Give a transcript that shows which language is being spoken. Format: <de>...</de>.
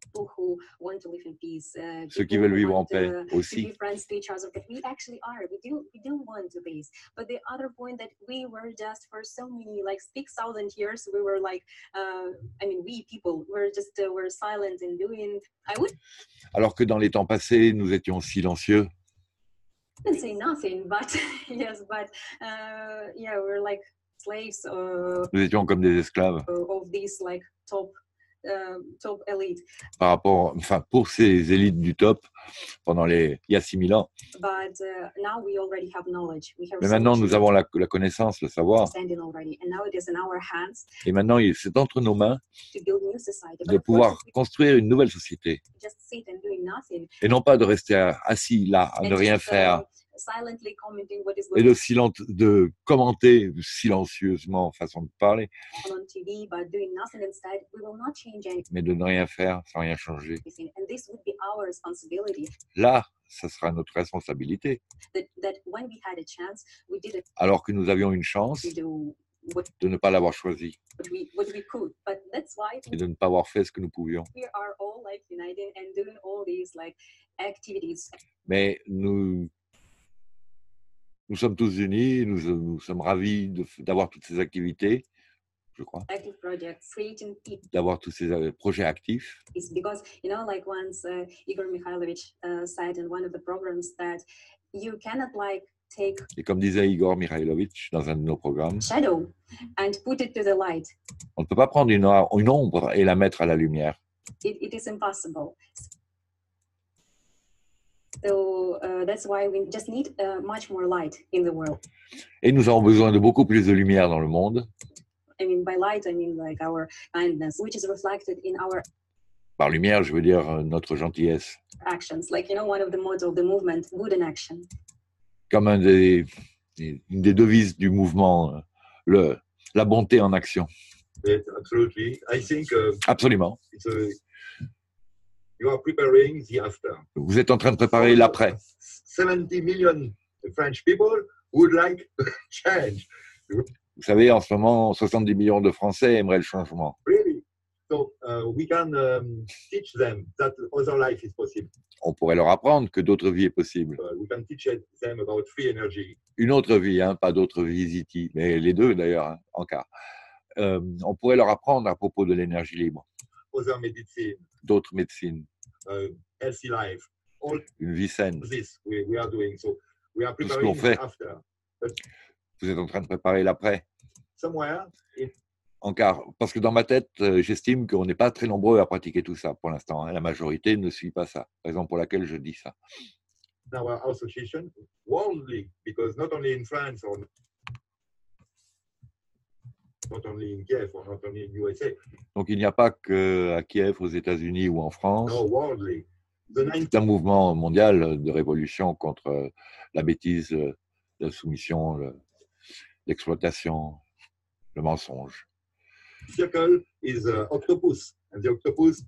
<en>People who want to live in peace,</en> <fr>ceux qui veulent vivre en paix aussi.</fr> <en>To be friends to each other, but we actually are. We do want to peace. But the other point that we were just for so many like 6,000 years we were like we people were just were silent and doing. I would.</en> <fr>Alors que dans les temps passés nous étions silencieux.</fr> <en>I didn't say nothing, but yes, but yeah, we're like. Slaves,</en> <fr>nous étions comme des esclaves</fr> <en>of this, like, top elite.</en> <fr>Par rapport, enfin, pour ces élites du top pendant les il y a 6000 ans.</fr> <en>But, now we already have knowledge. We have</en> <fr>mais maintenant, nous avons la connaissance, le savoir.</fr> <en>Standing already. And now it is in our hands.</en> <fr>Et maintenant, c'est entre nos mains</fr> <en>to build new society.</en> <fr>De pouvoir construire une nouvelle société.</fr> <en>Just sit and doing nothing.</en> <fr>Et non pas de rester assis là, à</fr> <en>and</en> <fr>ne rien</fr> <en>just,</en> <fr>faire.</fr> <en>Silently commenting what is</en> <fr>et de, de commenter silencieusement façon de parler</fr> <en>on TV, but doing nothing instead, we will not change anything.</en> <fr>Mais de ne rien faire sans rien changer.</fr> <en>And this would be our responsibility.</en> <fr>Là, ça sera notre responsabilité.</fr> <en>That when we had a chance, we did it.</en> <fr>Alors que nous avions une chance de ne pas l'avoir choisi.</fr> <en>What we could, but that's why</en> <fr>et de ne pas avoir fait ce que nous pouvions.</fr> <en>We are all like united and doing all these like activities.</en> <fr>Mais nous sommes tous unis, nous sommes ravis d'avoir toutes ces activités, je crois.</fr> <en>Active project, creating people.</en> <fr>D'avoir tous ces projets actifs.</fr> <en>It's because, you know, like once Igor Mikhailovich said in one of the programs that you cannot like take.</en> <fr>Et comme disait Igor Mikhailovich dans un de nos programmes.</fr> <en>Shadow and put it to the light.</en> <fr>On ne peut pas prendre une ombre et la mettre à la lumière.</fr> <en>It is impossible. So that's why we just need much more light in the world.</en> <fr>Et nous avons besoin de beaucoup plus de lumière dans le monde.</fr> <en>I mean by light I mean like our kindness which is reflected in our</en> <fr>par lumière je veux dire notre gentillesse.</fr> <en>Actions like you know one of the motto of the movement good in action.</en> <fr>Comme une des devises du mouvement la bonté en action.</fr> <en>Absolutely. I think</en> <fr>absolument.</fr> <en>You are preparing the after.</en> <fr>Vous êtes en train de préparer l'après.</fr> <en>70 million French people would like change.</en> <fr>Vous savez, en ce moment, 70 millions de Français aimeraient le changement.</fr> <en>Really? So we can teach them that other life is possible.</en> <fr>On pourrait leur apprendre que d'autres vies est possible.</fr> <en>We can teach them about free energy.</en> <fr>Une autre vie, hein, pas d'autres vies ici, mais les deux d'ailleurs, hein, en cas. On pourrait leur apprendre à propos de l'énergie libre.</fr> <en>Other medicine.</en> <fr>D'autres médecines,</fr> <en>healthy life,</en> <fr>une vie saine.</fr> <en>This we are doing, so we are preparing</en> <fr>ce qu'on fait.</fr> <en>After.</en> <fr>Vous êtes en train de préparer l'après.</fr> <en>Somewhere.</en> <fr>Encore, parce que dans ma tête, j'estime qu'on n'est pas très nombreux à pratiquer tout ça pour l'instant. Hein. La majorité ne suit pas ça. Raison pour laquelle je dis ça.</fr> <en>Now our association, worldly, because not only in France or not only in Kiev or not only in USA.</en> <fr>Donc il n'y a pas que à Kiev, aux États-Unis ou en France.</fr> <en>No, worldly.</en> <fr>C'est un mouvement mondial de révolution contre la bêtise la soumission, l'exploitation, le mensonge.</fr> <en>Circle is octopus. And the octopus.</en>